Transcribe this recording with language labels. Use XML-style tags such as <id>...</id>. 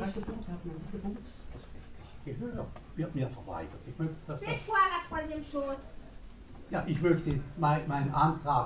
<de>Das rechtliche Gehör wird mir verweigert.</de> <fr>C'est quoi la troisième chose?</fr> <de>Ja, ich möchte meinen Antrag.</de>